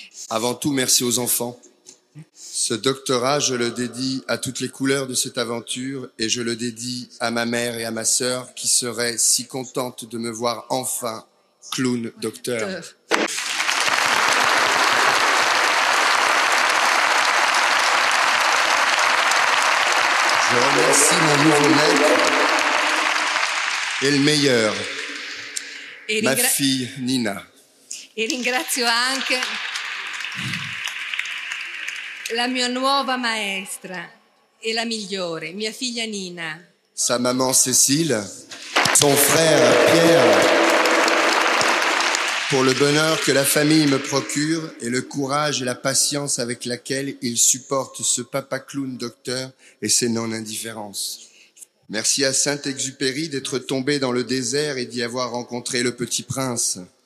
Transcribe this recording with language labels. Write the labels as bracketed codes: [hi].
[fr] Avant tout, merci aux enfants. Ce doctorat, je le dédie à toutes les couleurs de cette aventure et je le dédie à ma mère et à ma sœur qui seraient si contentes de me voir enfin clown docteur. Je remercie mon nouveau maître et le meilleur, ma fille Nina. [it] E ringrazio anche la mia nuova maestra e la migliore, mia figlia Nina. [fr] Sa maman Cécile, son frère Pierre, pour le bonheur que la famille me procure et le courage et la patience avec laquelle ils supportent ce papa clown docteur et ses non-indifférences. Merci à Saint-Exupéry d'être tombé dans le désert et d'y avoir rencontré le petit prince.